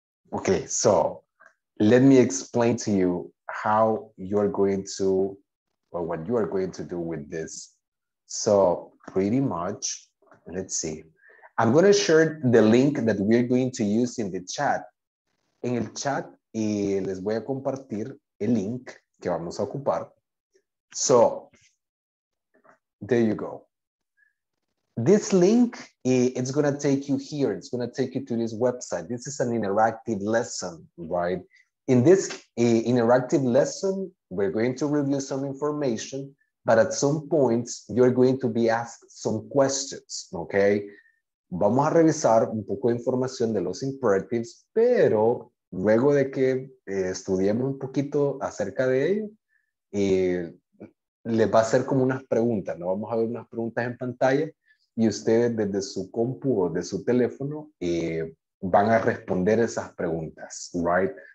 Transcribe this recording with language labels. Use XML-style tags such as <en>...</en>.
<en>Okay, so let me explain to you how you're going to, or what you are going to do with this. So pretty much, let's see. I'm going to share the link that we're going to use in the chat.</en> <es>En el chat, y les voy a compartir el link que vamos a ocupar.</es> <en>So, there you go. This link, it's going to take you here. It's going to take you to this website. This is an interactive lesson, right? In this interactive lesson, we're going to review some information, but at some points, you're going to be asked some questions, okay?</en> <es>Vamos a revisar un poco de información de los imperatives, pero luego de que estudiemos un poquito acerca de ello, les va a hacer como unas preguntas, ¿no? Vamos a ver unas preguntas en pantalla y ustedes desde su compu o de su teléfono van a responder esas preguntas, right?</es>